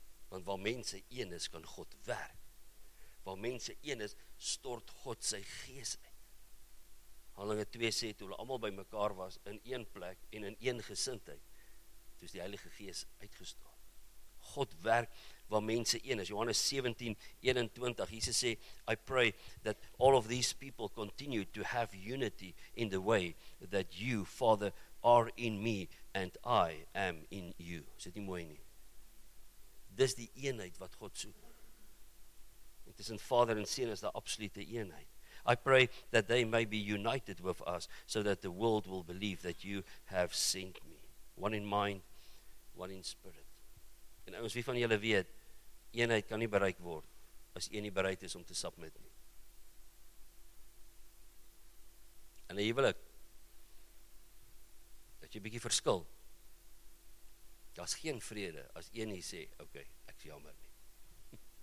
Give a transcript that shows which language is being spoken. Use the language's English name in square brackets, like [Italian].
[Afrikaans] Want waar mense een is, kan God werk. Waar mense een is, stort God sy gees uit. Handelinge 2 sê, toe hulle allemaal by mekaar was, in een plek en in een gesindheid, toe is die Heilige Gees uitgestort. God werk waar mense een is. Johannes 17:21, Jesus sê, [English] I pray that all of these people continue to have unity in the way that you, Father, are in me and I am in you. [Afrikaans] Is dit nie mooi nie? Dis die eenheid wat God soek. Het is in Vader en Seun is die absolute eenheid. [English] I pray that they may be united with us so that the world will believe that you have sent me. One in mind, one in spirit. [Afrikaans] En ons, wie van julle weet, eenheid kan nie bereik word as een nie bereid is om te submit nie. En hier wil ek dat jy 'n bietjie verskil. Daar's geen vrede as een nie sê, okay, ek jammer nie.